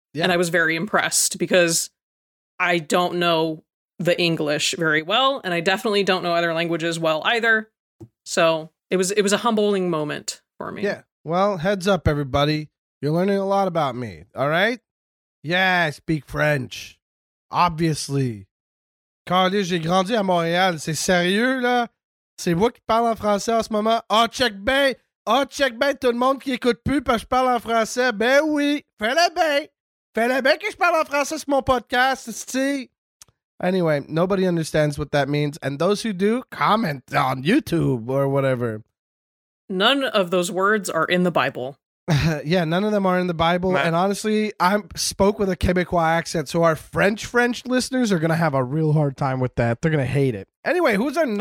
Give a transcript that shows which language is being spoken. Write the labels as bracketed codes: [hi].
[en] Yeah. And I was very impressed because I don't know the English very well. And I definitely don't know other languages well either. So it was a humbling moment for me. Yeah. Well, heads up, everybody. You're learning a lot about me. All right. Yeah, I speak French. Obviously. [fr] Quand j'ai grandi à Montréal, c'est sérieux, là? C'est moi qui parle en français en ce moment? Oh, check bay. Oh, check bay. Tout le monde qui écoute plus parce que je parle en français. Ben oui. Fais-le bay. Fais-le bay que je parle en français sur mon podcast, c'est-tu? [en] Anyway, nobody understands what that means. And those who do, comment on YouTube or whatever. None of those words are in the Bible. Yeah, none of them are in the Bible. Nah. And honestly, I spoke with a Quebecois accent, so our French listeners are going to have a real hard time with that. They're going to hate it. Anyway, who's our number one?